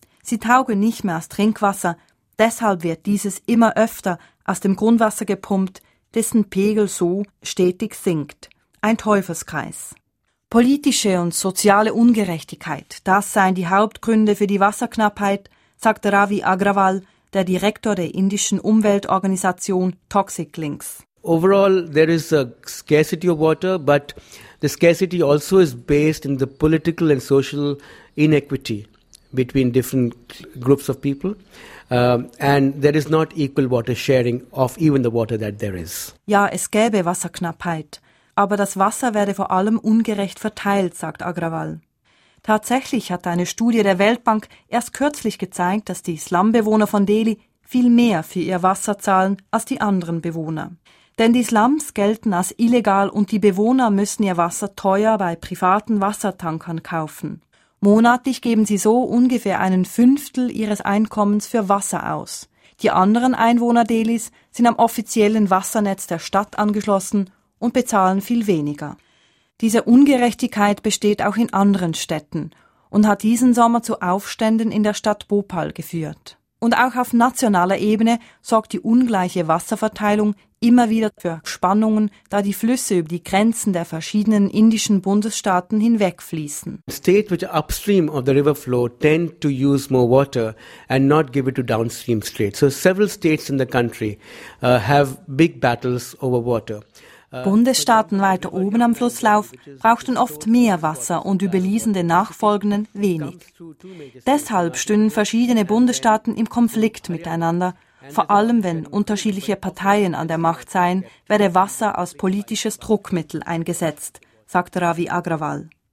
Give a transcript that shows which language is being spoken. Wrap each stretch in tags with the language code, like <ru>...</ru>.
<de>Sie taugen nicht mehr als Trinkwasser, deshalb wird dieses immer öfter aus dem Grundwasser gepumpt, dessen Pegel so stetig sinkt. Ein Teufelskreis. Politische und soziale Ungerechtigkeit, das seien die Hauptgründe für die Wasserknappheit, sagt Ravi Agrawal, der Direktor der indischen Umweltorganisation Toxic Links.</de> <en>Overall there is a scarcity of water, but the scarcity also is based in the political and social inequity between different groups of people. And there is not equal water sharing of even the water that there is.</en> <de>Ja, es gäbe Wasserknappheit, aber das Wasser werde vor allem ungerecht verteilt, sagt Agrawal. Tatsächlich hat eine Studie der Weltbank erst kürzlich gezeigt, dass die Slumbewohner von Delhi viel mehr für ihr Wasser zahlen als die anderen Bewohner. Denn die Slums gelten als illegal und die Bewohner müssen ihr Wasser teuer bei privaten Wassertankern kaufen. Monatlich geben sie so ungefähr einen Fünftel ihres Einkommens für Wasser aus. Die anderen Einwohner Delhis sind am offiziellen Wassernetz der Stadt angeschlossen und bezahlen viel weniger. Diese Ungerechtigkeit besteht auch in anderen Städten und hat diesen Sommer zu Aufständen in der Stadt Bhopal geführt. Und auch auf nationaler Ebene sorgt die ungleiche Wasserverteilung immer wieder für Spannungen, da die Flüsse über die Grenzen der verschiedenen indischen Bundesstaaten hinwegfließen.</de> <en>States which are upstream of the river flow tend to use more water and not give it to downstream states. So several states in the country have big battles over water.</en> <de>Bundesstaaten weiter oben am Flusslauf brauchten oft mehr Wasser und überließen den nachfolgenden wenig. Deshalb stünden verschiedene Bundesstaaten im Konflikt miteinander, vor allem wenn unterschiedliche Parteien an der Macht seien, werde Wasser als politisches Druckmittel eingesetzt, sagt Ravi Agrawal.</de>